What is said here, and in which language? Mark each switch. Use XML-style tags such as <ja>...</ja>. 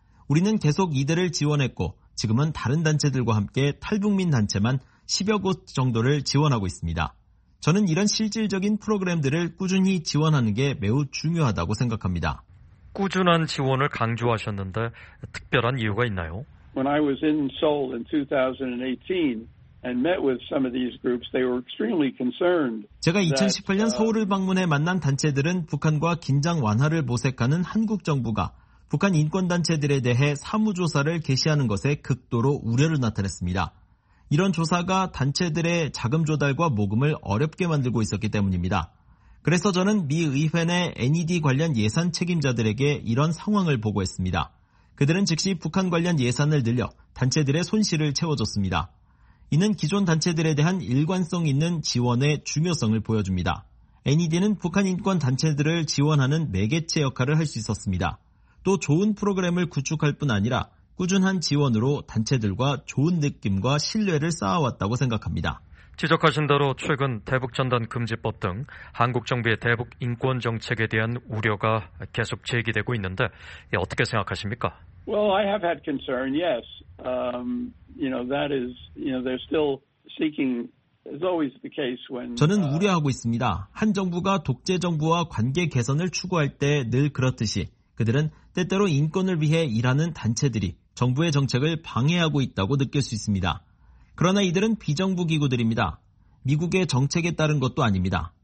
<ko>우리는 계속 이들을 지원했고 지금은 다른 단체들과 함께 탈북민 단체만 10여 곳 정도를 지원하고 있습니다. 저는 이런 실질적인 프로그램들을 꾸준히 지원하는 게 매우 중요하다고 생각합니다. 꾸준한 지원을 강조하셨는데 특별한 이유가 있나요?</ko> <en>When I was in Seoul in 2018 and met with some of these groups, they were extremely concerned.</en> <ko>제가 2018년 서울을 방문해 만난 단체들은 북한과 긴장 완화를 모색하는 한국 정부가 북한 인권 단체들에 대해 사무 조사를 개시하는 것에 극도로 우려를 나타냈습니다. 이런 조사가 단체들의 자금 조달과 모금을 어렵게 만들고 있었기 때문입니다. 그래서 저는 미 의회 내 NED 관련 예산 책임자들에게 이런 상황을 보고했습니다. 그들은 즉시 북한 관련 예산을 늘려 단체들의 손실을 채워줬습니다. 이는 기존 단체들에 대한 일관성 있는 지원의 중요성을 보여줍니다. NED는 북한 인권 단체들을 지원하는 매개체 역할을 할 수 있었습니다. 또 좋은 프로그램을 구축할 뿐 아니라 꾸준한 지원으로 단체들과 좋은 느낌과 신뢰를 쌓아왔다고 생각합니다. 지적하신 대로 최근 대북전단금지법 등 한국 정부의 대북 인권 정책에 대한 우려가 계속 제기되고 있는데 어떻게 생각하십니까?</ko> <en>Well, I have had concern. Yes. You know, that is, you know, they're still seeking is always the case when</en> <ko>저는 우려하고 있습니다. 한 정부가 독재 정부와 관계 개선을 추구할 때 늘 그렇듯이 그들은 때때로 인권을 위해 일하는 단체들이 정부의 정책을 방해하고 있다고 느낄 수 있습니다. 그러나 이들은 비정부 기구들입니다. 미국의 정책에 따른 것도 아닙니다.</ko>